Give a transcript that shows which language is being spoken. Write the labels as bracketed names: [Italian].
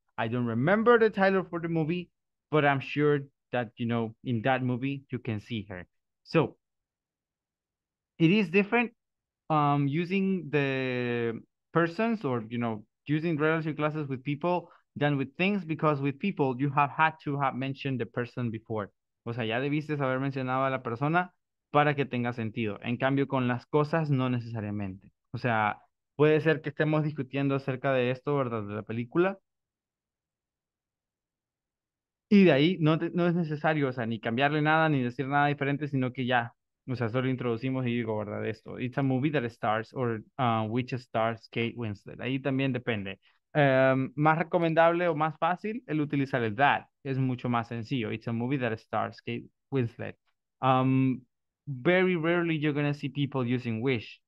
[English] I don't remember the title for the movie, but I'm sure that, you know, in that movie, you can see her. So it is different using the persons or, you know, using relative clauses with people than with things, because with people, you have had to have mentioned the person before. [Spanish] O sea, ya debiste haber mencionado a la persona para que tenga sentido. En cambio, con las cosas, no necesariamente. O sea, puede ser que estemos discutiendo acerca de esto, ¿verdad? De la película. Y de ahí, no es necesario, o sea, ni cambiarle nada, ni decir nada diferente, sino que ya, o sea, solo introducimos y digo, ¿verdad? Esto, [English] it's a movie that stars, or which stars Kate Winslet. [Spanish] Ahí también depende. Más recomendable o más fácil el utilizar el that, es mucho más sencillo. [English] It's a movie that stars Kate Winslet. Very rarely you're gonna see people using wish.